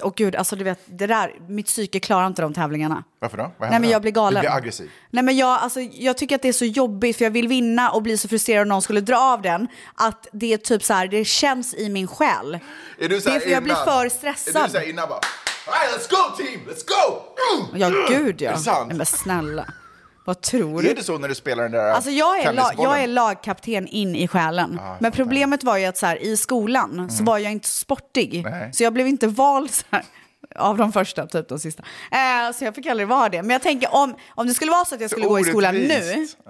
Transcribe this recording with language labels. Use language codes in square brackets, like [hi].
[sv] Och gud, alltså du vet, det där, mitt psyke klarar inte de tävlingarna. Varför då? Vad nej, men jag blir galen. Du blir aggressiv. Nej, men jag, alltså, jag tycker att det är så jobbigt för jag vill vinna och bli så frustrerad om någon skulle dra av den. Att det är typ så här, det känns i min själ. Är du så här, det är för jag blir för stressad. Är du så här innan bara... [en] Alright, let's go team, let's go. [sv] Ja gud ja. Nej, men snälla, vad tror du? Är det så när du spelar den där? Alltså jag är lagkapten in i själen. Ah, men problemet var ju att så här, i skolan så var jag inte sportig. Nej. Så jag blev inte vald så här, av de första typ de sista. Så jag fick aldrig vara det. Men jag tänker om det skulle vara så att jag skulle gå i skolan nu.